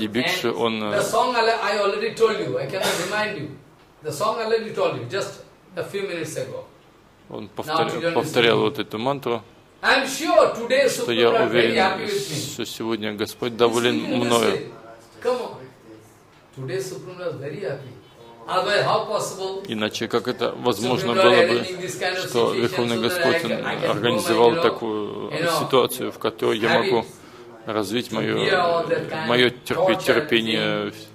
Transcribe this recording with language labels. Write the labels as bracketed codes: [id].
[en] the song I already told you, I cannot remind you. The song I already told you just a few minutes ago. [ru] Он повторял вот эту мантру. [en] I'm sure today Supreme Lord very happy with me. [ru] Что сегодня Господь доволен мною. [en] Come on. Today Supreme Lord is very happy. Otherwise, how possible? [ru] Иначе как это возможно было бы, что Верховный Господь организовал такую ситуацию, в которой я могу развить мое терпение?